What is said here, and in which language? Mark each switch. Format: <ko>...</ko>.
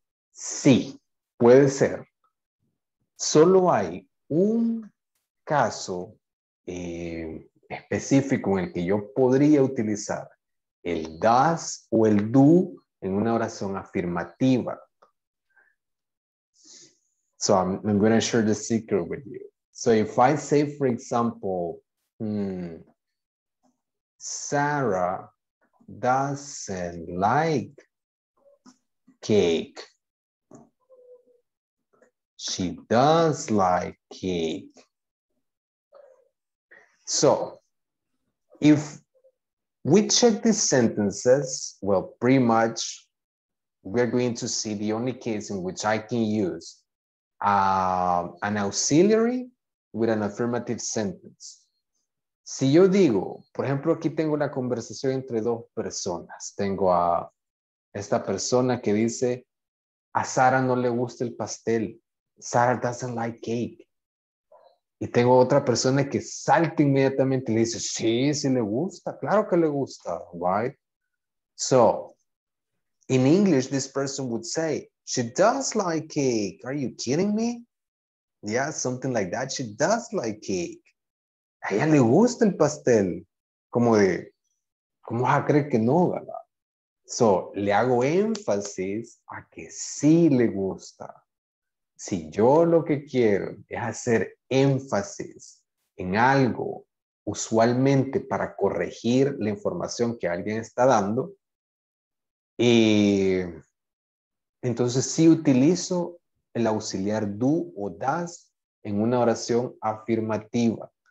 <es>Sí, puede ser. Solo hay un caso específico en el que yo podría utilizar el does o el do en una oración afirmativa.</es> <en>So I'm going to share the secret with you. So if I say, for example, Sarah doesn't like cake. She does like cake. So, if we check these sentences, well, pretty much we're going to see the only case in which I can use an auxiliary with an affirmative sentence.</en> <es>Si yo digo, por ejemplo, aquí tengo la conversación entre dos personas. Tengo a esta persona que dice, a Sara no le gusta el pastel.</es> <en>Sara doesn't like cake.</en> <es>Y tengo otra persona que salta inmediatamente y le dice, sí, sí le gusta, claro que le gusta, right?</es> <en>So, in English, this person would say, she does like cake, are you kidding me? Yeah, something like that, she does like cake.</en> <es>A ella le gusta el pastel. Como de, ¿cómo vas a creer que no, verdad? So, le hago énfasis a que sí le gusta. Si yo lo que quiero es hacer énfasis en algo, usualmente para corregir la información que alguien está dando, entonces sí utilizo el auxiliar do o does en una oración afirmativa.</es>